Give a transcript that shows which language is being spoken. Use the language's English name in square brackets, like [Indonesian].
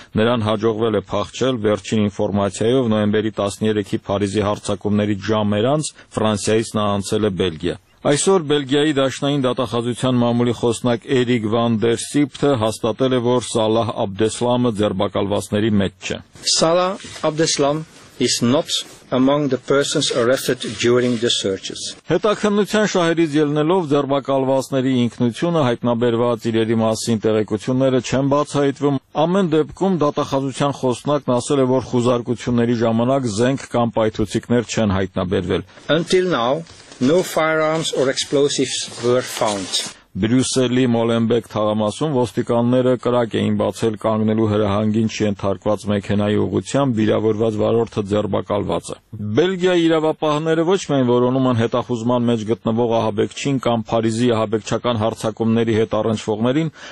[Armenian] նրան հաջողվել է փախչել վերջին ինֆորմացիայով նոյեմբերի 13-ի Փարիզի հարձակումների ժամեր անց Ֆրանսիայից նա անցել է Բելգիա։ Այսօր Բելգիայի դաշնային դատախազության մամուլի խոսնակ Էրիկ վան դեր Սիպթը հաստատել է, որ Սալլահ Աբդեսլամը ձերբակալվածների մեջ չէ։ [English] Սալլահ Աբդեսլամ is not among the persons arrested during the searches. [Armenian] Հետաքննության շահերից ելնելով ձերբակալվածների ինքնությունը հայտնաբերված իրերի մասին տեղեկությունները չեն բացահայտվում։ Ամեն դեպքում դատախազության խոսնակն ասել է, որ խուզարկությունների ժամանակ զենք կամ պայթուցիկներ չեն հայտնաբերվել։ [English] Until now, no firearms or explosives were found. [Armenian] Բրյուսելի Մոլենբեկ թաղամասում ոստիկանները կրակ էին բացել կանգնելու հրահանգին չենթարկված մեքենայի ուղղությամբ վիրավորված վարորդը ձերբակալվածը։ Բելգիայի իրավապահները ոչ միայն որոնում են հետախուզման մեջ գտնվող ահաբեկչին կամ Փարիզի ահաբեկչական հարձակումների հետ առնչվողներին,